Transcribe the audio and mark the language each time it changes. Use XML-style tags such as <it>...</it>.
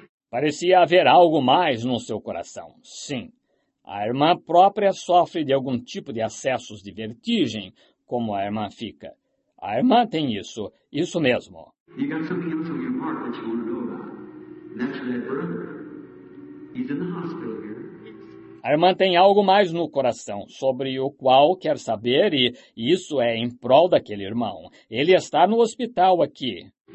<pt>Parecia haver algo mais no seu coração. Sim, a irmã própria sofre de algum tipo de acessos de vertigem, como a irmã fica. A irmã tem isso, isso mesmo.</pt> <en>You got something else on your heart that you want to know about. And that's that brother. He's in the hospital here.</en> <pt>A irmã tem algo mais no coração, sobre o qual quer saber, e isso é em prol daquele irmão. Ele está no hospital aqui.</pt>